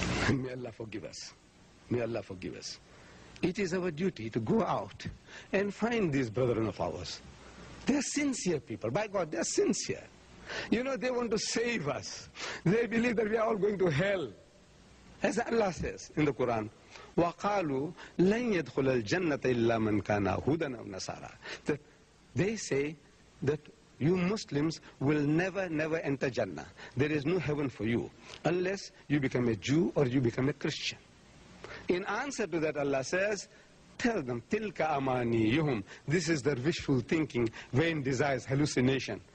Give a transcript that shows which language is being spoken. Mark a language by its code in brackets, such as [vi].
[en] May Allah forgive us. May Allah forgive us. It is our duty to go out and find these brethren of ours. They're sincere people. By God, they're sincere. You know, they want to save us. They believe that we are all going to hell. As Allah says in the Quran, [ar] وَقَالُوا لَنْ يَدْخُلَ الْجَنَّةَ إِلَّا مَنْ كَانَ هُدًا أَوْ نَصَارَى. [en] They say that you Muslims will never enter Jannah. There is no heaven for you unless you become a Jew or you become a Christian. In answer to that, Allah says, tell them, [ar] تِلْكَ أَمَانِيُّهُمْ. [en] This is their wishful thinking, vain desires, hallucination.